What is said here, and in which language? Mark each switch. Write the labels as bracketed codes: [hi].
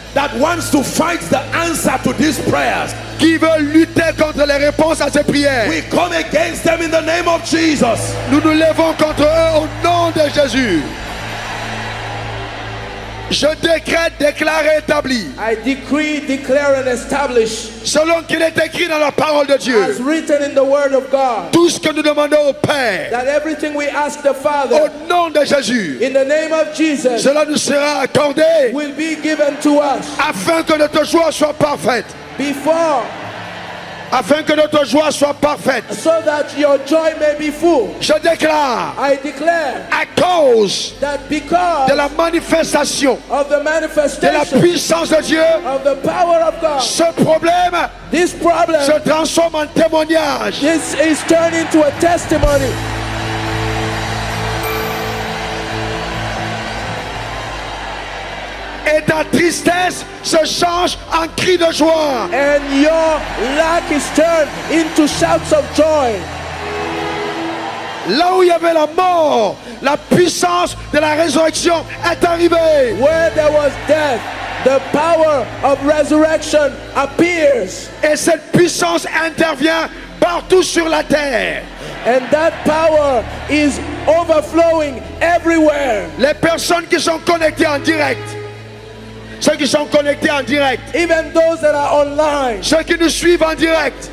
[en] that wants to fight the answer to these prayers. [fr] Qui veut lutter contre les réponses à ces prières. [en] We come against them in the name of Jesus. [fr] Nous nous levons contre eux au nom de Jésus. Je décrète, déclare, établi. [en] I decree, declare and establish. [fr] Selon qu'il est écrit dans la parole de Dieu. [en] As written in the word of God. [fr] Tout ce que nous demandons au Père. [en] That everything we ask the Father. [fr] Au nom de Jésus. [en] In the name of Jesus. [fr] Cela nous sera accordé. [en] Will be given to us. [fr] Afin que notre joie soit parfaite. [en] Before. [fr] Afin que notre joie soit parfaite. [en] So that your joy may be full. [fr] Je déclare. [en] I declare. [fr] À cause. [en] That because. [fr] De la manifestation. [en] Of the manifestation. [fr] De la puissance de Dieu. [en] Of the power of God. [fr] Ce problème. [en] This problem. [fr] Se transforme en témoignage. [en] This is turned into a testimony. [fr] Et ta tristesse se change en cri de joie. [en] And your lack is turned into shouts of joy. [fr] Là où il y avait la mort, la puissance de la résurrection est arrivée. [en] Where there was death, the power of resurrection appears. [fr] Et cette puissance intervient partout sur la terre. [en] And that power is overflowing everywhere. [fr] Les personnes qui sont connectées en direct. Ceux qui sont connectés en direct. [en] Even those that are online. [fr] Ceux qui nous suivent en direct.